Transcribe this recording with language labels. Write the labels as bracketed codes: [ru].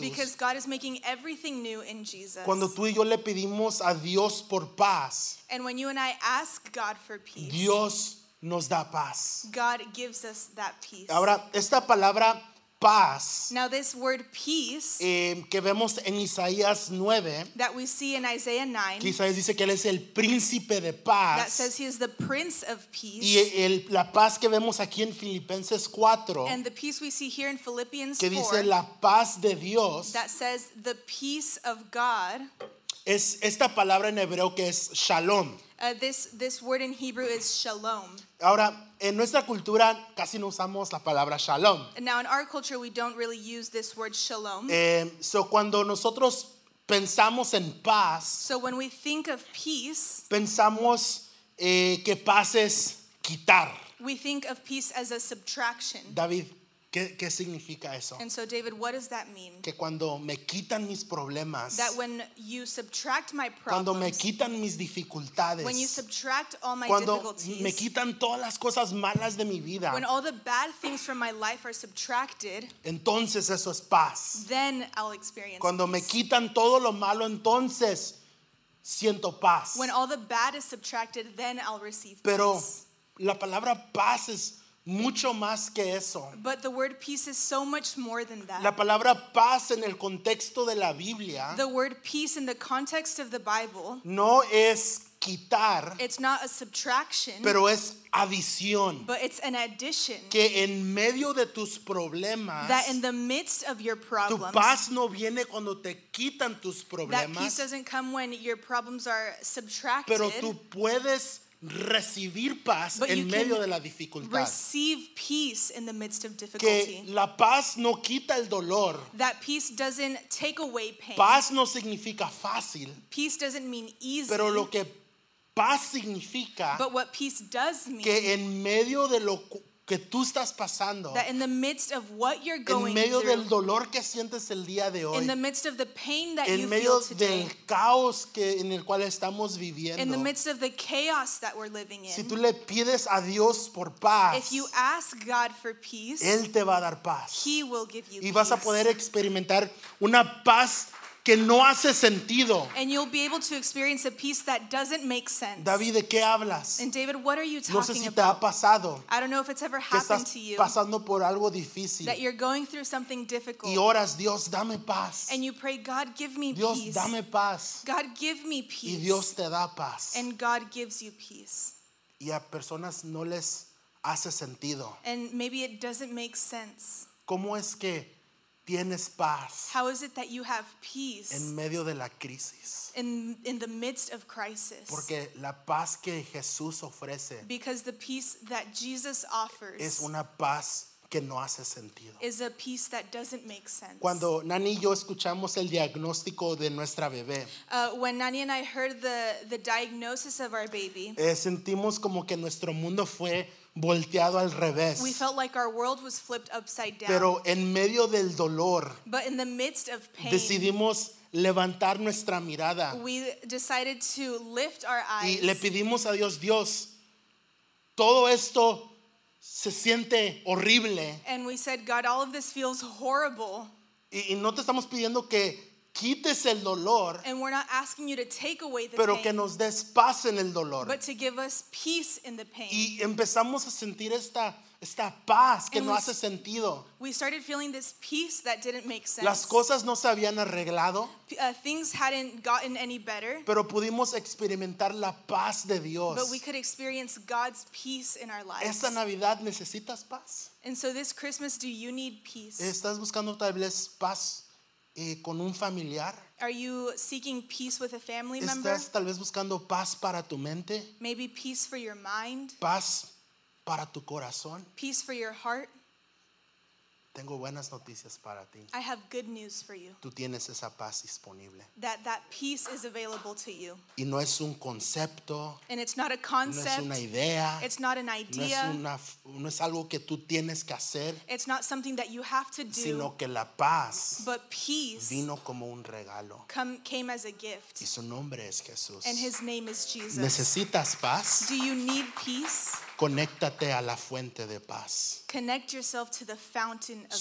[en] because God is making everything new in Jesus. [es] Cuando tú y yo le pedimos a Dios por paz, [en] and when you and I ask God for peace, [es] Dios nos da paz. [en] God gives us that peace. [es] Ahora, esta palabra paz, [en] now this word peace, [es] que vemos en Isaías 9, [en] that we see in Isaiah 9, [es] que Isaías dice que él es el príncipe de paz, [en] that says he is the prince of peace, [es] y la paz que vemos aquí en Filipenses 4, [en] and the peace we see here in Philippians 4, [es] que dice la paz de Dios, [en] that says the peace of God, [es] es esta palabra en hebreo que es shalom. [en] This word in Hebrew is shalom. [es] Ahora, en nuestra cultura casi no usamos la palabra shalom. [en] Now in our culture we don't really use this word shalom. [es] So cuando nosotros pensamos en paz, [en] so when we think of peace, [es] pensamos que paz es quitar. [en] We think of peace as a subtraction. [es] David, ¿qué significa eso? [en] And so David, what does that mean? [es] Que cuando me quitan mis problemas, [en] that when you subtract my problems, [es] cuando me quitan mis dificultades, [en] when you subtract all my [es] cuando [en] difficulties, [es] me quitan todas las cosas malas de mi vida, [en] when all the bad things from my life are subtracted, [es] entonces eso es paz. [en] Then I'll experience [es] cuando [en] peace. [es] Me quitan todo lo malo, entonces siento paz. [en] When all the bad is subtracted, then I'll receive [es] pero [en] peace. [es] La palabra paz es mucho más que eso. [en] But the word peace is so much more than that. [es] La palabra paz en el contexto de la Biblia, [en] the word peace in the context of the Bible, [es] no es quitar, [en] it's not a subtraction, [es] pero es adición, [en] but it's an addition, [es] que en medio de tus problemas, [en] that in the midst of your problems, [es] tu paz no viene cuando te quitan tus problemas, [en] that peace doesn't come when your problems are subtracted, [es] pero tú puedes recibir paz en medio de la dificultad. [en] Receive peace in the midst of difficulty. [es] Que la paz no quita el dolor. [en] That peace doesn't take away pain. [es] Paz no significa fácil. [en] Peace doesn't mean easy. [es] Pero lo que paz significa, [en] but what peace does mean, [es] que en medio de lo que tú estás pasando, [en] that in the midst of what you're going [es] en medio [en] through, [es] del dolor que sientes el día de hoy, [en] in the midst of the pain that you feel [es] today, en medio del caos que en el cual estamos viviendo, [en] in the midst of the chaos that we're living in, [es] si tú le pides a Dios por paz, [en] if you ask God for peace, [es] él te va a dar paz, [en] he will give you [es] y [en] peace, [es] y vas a poder experimentar una paz que no hace sentido. [en] And you'll be able to experience a peace that doesn't make sense. [es] David, ¿de qué hablas? [en] And David, what are you talking [es] no sé si [en] about? [es] Te ha pasado. [en] I don't know if it's ever happened to you. [es] Pasando por algo difícil. [en] That you're going through something difficult. [es] Y oras, Dios, dame paz. [en] And you pray, God, give me [es] Dios, [en] peace. [es] Dame paz. [en] God, give me peace. [es] Y Dios te da paz. [en] And God gives you peace. [es] Y a personas no les hace sentido. [en] And maybe it doesn't make sense. [es] ¿Cómo es que tienes paz? [en] How is it that you have peace [es] en medio de la crisis? [en] In the midst of crisis. [es] Porque la paz que Jesús ofrece, [en] because the peace that Jesus offers, [es] es una paz que no hace sentido, [en] is a peace that doesn't make sense. [es] Cuando Nani y yo escuchamos el diagnóstico de nuestra bebé, [en] when Nani and I heard the diagnosis of our baby, [es] sentimos como que nuestro mundo fue volteado al revés. [en] We felt like our world was flipped upside down. [es] Pero en medio del dolor, [en] but in the midst of pain, [es] decidimos levantar nuestra mirada. [en] We decided to lift our eyes. [es] Y le pedimos a Dios, Dios, todo esto se siente horrible. [en] And we said, God, all of this feels horrible. [es] Y no te estamos pidiendo que quites el dolor, [en] and we're not asking you to take away the [es] pero [en] pain, [es] que nos des paz en el dolor, [en] but to give us peace in the pain. [es] Y empezamos a sentir esta paz que no hace sentido. [en] We started feeling this peace that didn't make sense. [es] Las cosas no se habían arreglado. [en] Things hadn't gotten any better. [es] Pero pudimos experimentar la paz de Dios. [en] But we could experience God's peace in our lives. [es] Esta Navidad necesitas paz. [en] And so this Christmas, do you need peace? [es] ¿Estás buscando tal vez paz con un familiar? [en] Are you seeking peace with a family [es] ¿Estás [en] member? [es] ¿Estás tal vez buscando paz para tu mente? [en] Maybe peace for your mind. [es] Paz para tu corazón. [en] Peace for your heart. [es] Tengo buenas noticias para ti. [en] I have good news for you. [es] Tú tienes esa paz disponible. [en] That peace is available to you. [es] Y no es un concepto. [en] And it's not a concept. [es] No es una idea. [en] It's not an idea. [es] No es algo que tú tienes que hacer. [en] It's not something that you have to do. [es] Sino que la paz, [en] but peace, [es] vino como un regalo. [en] Came as a gift. [es] Y su nombre es Jesús. [en] And his name is Jesus. [es] ¿Necesitas paz? [en] Do you need peace? [es] Conéctate a la fuente de paz. [en] Connect yourself to the fountain of peace.